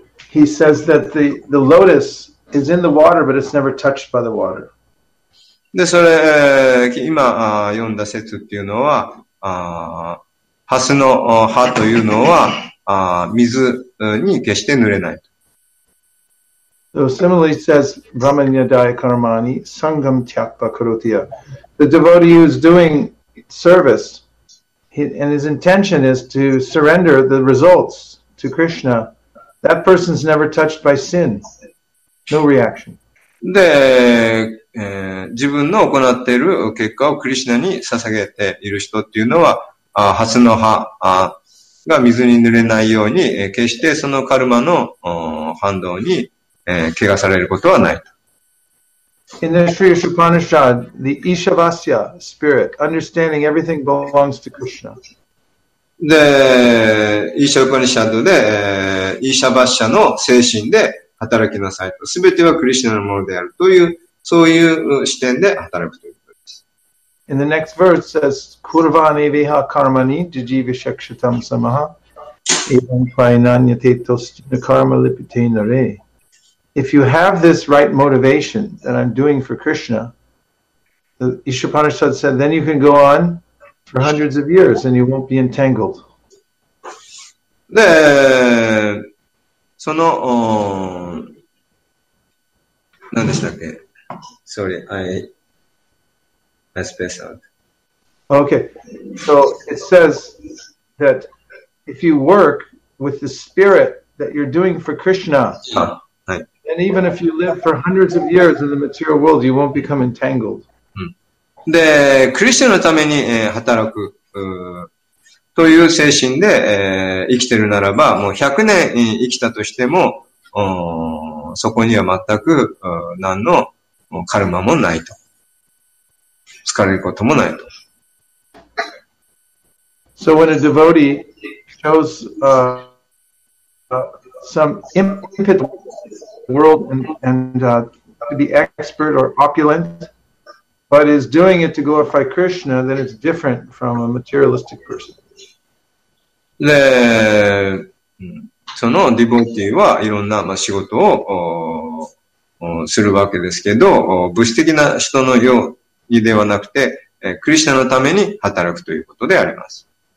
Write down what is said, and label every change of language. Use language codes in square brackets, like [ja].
[en] He says that the lotus is in the water, but it's never touched by the water. [ja] で、それ、今、読んだ説っていうのは、ハスの葉というのは、水に決して濡れない。 [en] So similarly says, [sa] Brahmanyadaya karmani sangam tyakva karotiya. [en] The devotee who's doing service, and his intention is to surrender the results to Krishna. That person's never touched by sin. No reaction. [ja] で、自分の行っている結果をクリシナに捧げている人っていうのは、ハスの葉が水に濡れないように、決してそのカルマの反動に、怪我されることはない。 [en] In the Sri Upanishad, the Ishavasya spirit, understanding everything belongs to Krishna. [ja] で、イーシャ・ウパニシャドで、イーシャ・バッシャの精神で働きなさいと。すべてはクリシナのものであるという、そういう視点で働くということです。 [en] In the next verse says, [sa] Kurvani viha karmani jijivi shakshatam samaha evan painanyate tostina karma lipite nare. [en] If you have this right motivation that I'm doing for Krishna, the Isha Upanishad said, then you can go onfor hundreds of years, and you won't be entangled. [ja] で、その、何でしたっけ ? [en] Sorry, I spaced out. Okay, so it says that if you work with the spirit that you're doing for Krishna, and even if you live for hundreds of years in the material world, you won't become entangled. [ja] で、クリシナのために、働く、という精神で、生きてるならば、もう100年生きたとしても、そこには全く、何のカルマもないと。疲れることもないと。 [en] So when a devotee shows, some impetus to the world to be expert or opulent,But is doing it to glorify Krishna, then it's different from a materialistic person. [ja] で、そのディボティはいろんな仕事をするわけですけど、物質的な人のようにではなくて、クリシナのために働くということであります。